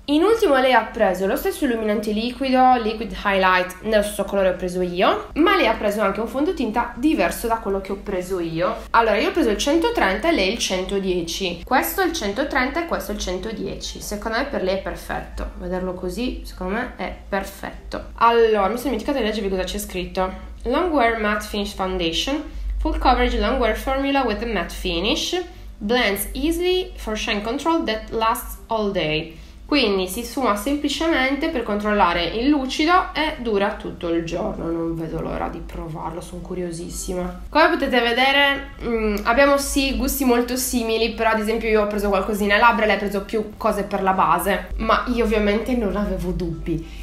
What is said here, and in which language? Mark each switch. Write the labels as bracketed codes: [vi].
[it] In ultimo lei ha preso lo stesso illuminante liquido, Liquid Highlight, nello stesso colore ho preso io, ma lei ha preso anche un fondotinta diverso da quello che ho preso io. Allora, io ho preso il 130 e lei il 110. Questo è il 130 e questo è il 110. Secondo me per lei è perfetto. Vederlo così, secondo me, è perfetto. Allora, mi sono dimenticata di leggervi cosa c'è scritto. [en] Longwear Matte Finish Foundation, Full Coverage Longwear Formula with a Matte Finish. Blends easily for shine control that lasts all day. [it] Quindi si sfuma semplicemente per controllare il lucido e dura tutto il giorno. Non vedo l'ora di provarlo, sono curiosissima. Come potete vedere, abbiamo sì gusti molto simili, però ad esempio io ho preso qualcosina a labbra e lei ha preso più cose per la base, ma io ovviamente non avevo dubbi.